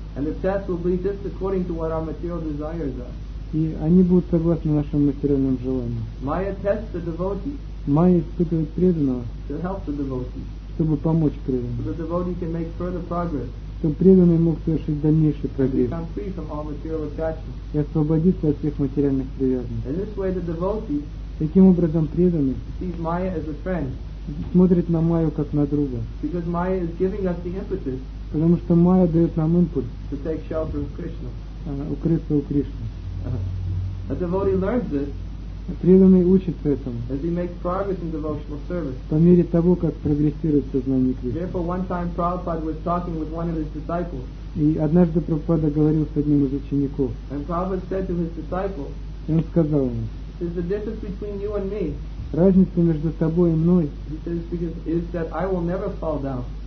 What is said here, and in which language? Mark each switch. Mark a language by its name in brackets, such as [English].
[English] And the tests will be just according to what our material desires are. [Russian] И они будут согласны нашим материальным желаниям. [English] Майя тест the devotee. [Russian] Майя испытывает преданного. [English] To help the devotee. [Russian] Чтобы помочь преданному. [English] So the devotee can make further progress. [Russian] Чтобы преданный мог совершить дальнейший прогресс. [English] Become free from all material attachments. [Russian] И освободиться от всех материальных привязанностей. [English] In this way, the devotee. [Russian] Таким образом, преданный. [English] Sees Майя as a friend. [Russian] Смотрит на Майю как на друга. [English] Because Майя is giving us the impetus. [Russian] Потому что Майя дает нам импульс [English] to take shelter of Krishna. [Russian] Укрыться у Кришны. [English] A devotee learns this. [Russian] Преданный учится этому. [English] As he makes progress in devotional service. [Russian] По мере того, как прогрессирует сознание Кришны. [English] Therefore, one time Prabhupada was talking with one of his disciples. [Russian] И однажды Прабхупада говорил с одним из учеников. [English] And Prabhupada said to his disciple. [Russian] И он сказал ему. [English] Is the difference between you and me? [Russian] Разница между тобой и мной. [English] He says because is that I will never fall down.